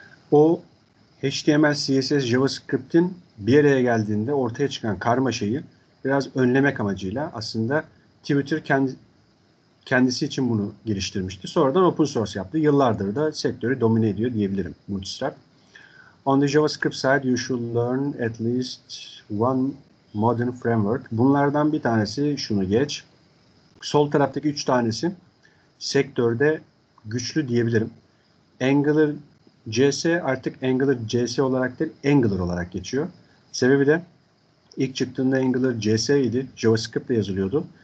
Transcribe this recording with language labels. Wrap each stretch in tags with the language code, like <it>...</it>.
<tr>O HTML, CSS, JavaScript'in bir araya geldiğinde ortaya çıkan karmaşayı biraz önlemek amacıyla aslında Twitter kendisi için bunu geliştirmişti. Sonradan open source yaptı. Yıllardır da sektörü domine ediyor diyebilirim. Bootstrap.</tr> <en>On the JavaScript side you should learn at least one modern framework.</en> <tr>Bunlardan bir tanesi şunu geç. Sol taraftaki üç tanesi sektörde güçlü diyebilirim. Angular CS artık Angular CS olarak değil, Angular olarak geçiyor. Sebebi de ilk çıktığında Angular CS idi. JavaScript ile yazılıyordu.</tr>